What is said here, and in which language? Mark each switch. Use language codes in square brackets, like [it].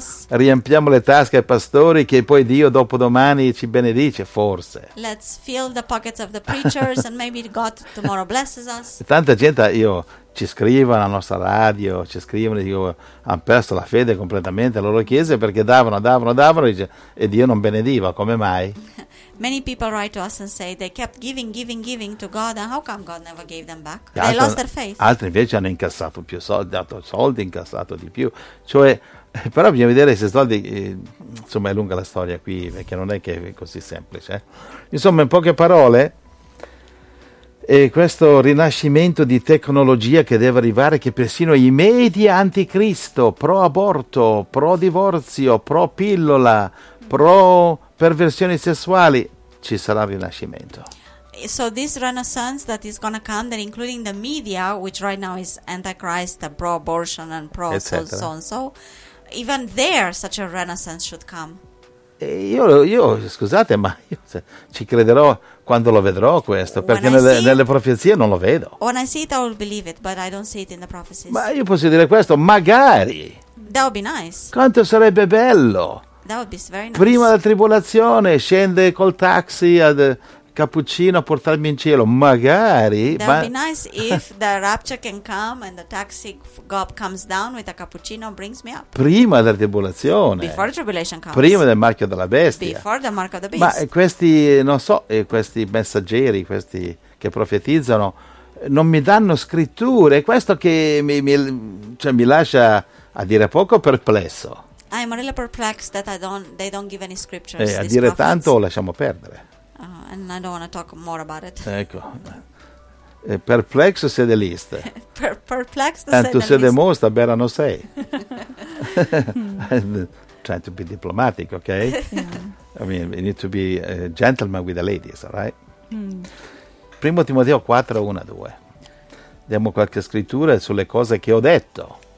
[it] Riempiamo le tasche ai pastori, che poi Dio dopodomani ci benedice, forse. [en] Let's fill the pockets of the preachers and maybe God tomorrow blesses us. [it] Tanta gente, io ci scrivono alla nostra radio, ci scrivono, dico, hanno perso la fede completamente alle loro chiese perché davano e Dio non benediva, come mai? [en] Many people write to us and say they kept giving to God and how come God never gave them back? They lost their faith. [it] Altri invece hanno incassato più soldi, dato soldi, incassato di più. Cioè, però bisogna vedere se soldi, insomma è lunga la storia qui, perché non è che è così semplice. Insomma, in poche parole, e questo rinascimento di tecnologia che deve arrivare, che persino i media anticristo, pro aborto, pro divorzio, pro pillola, pro perversioni sessuali, ci sarà il rinascimento. [en] So this renaissance that is gonna come, that including the media, which right now is antichrist, pro abortion and pro so and so, even there such a renaissance should come. [it] Io scusate, ma io ci crederò quando lo vedrò questo, perché nelle profezie non lo vedo. [en] When I see it, I will believe it, but I don't see it in the prophecies. [it] Ma io posso dire questo, magari. [en] That would be nice. [it] Quanto sarebbe bello. [en] That would be very nice. [it] Prima della tribolazione, scende col taxi ad Cappuccino a portarmi in cielo, magari. [en] That would be nice if the rapture can come and the taxi gob comes down with a cappuccino and brings me up. [it] Prima della tribolazione. [en] Before the tribulation comes. [it] Prima del marchio della bestia. [en] Before the mark of the beast. [it] Ma questi, non so, questi messaggeri, questi che profetizzano, non mi danno scritture, questo che mi lascia a dire poco perplesso. [en] I'm really perplexed that they don't give any scriptures. [it] A dire [en] prophets. [it] Tanto lasciamo perdere. [en] And I don't want to talk more about it. Ecco. Perplexo sede list. Perplexo sede list. Tu sede mostra, bella non sei. Trying to be diplomatic, okay? Yeah. I mean, we need to be gentlemen with the ladies, all right? [it] Primo Timoteo 4:1-2. Diamo qualche scrittura sulle cose che ho detto.